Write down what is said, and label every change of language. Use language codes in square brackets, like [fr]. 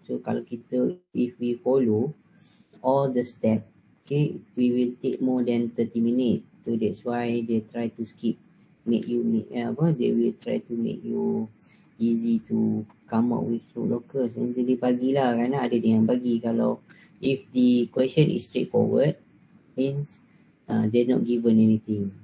[en] So [ms] kalau kita [en] if we follow all the step, okay, we will take more than 30 minutes. So that's why they try to skip, make you they will try to make you easy to come up with your locus. And then [ms] dia bagilah kan, ada dia yang bagi. Kalau [en] if the question is straightforward, means they're not given anything.